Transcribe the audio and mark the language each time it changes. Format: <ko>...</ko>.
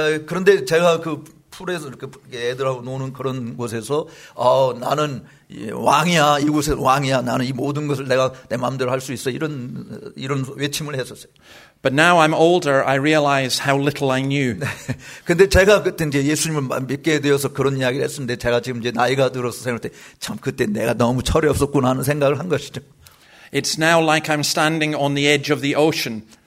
<ko>그런데 제가 그 풀에서 이렇게 애들하고 노는 그런 곳에서 나는 왕이야. 이곳에 왕이야. 나는 이 모든 것을 내가 내 마음대로 할 수 있어. 이런 외침을 했었어요.</ko> <en>But now I'm older. I realize how little I knew.</en> <ko>근데 제가 그때 이제 예수님을 믿게 되어서 그런 이야기를 했는데 제가 지금 이제 나이가 들어서 생각할 때 참 그때 내가 너무 철이 없었구나 하는 생각을 한 것이죠.</ko> <en>It's now like I'm standing on the edge of the ocean.</en>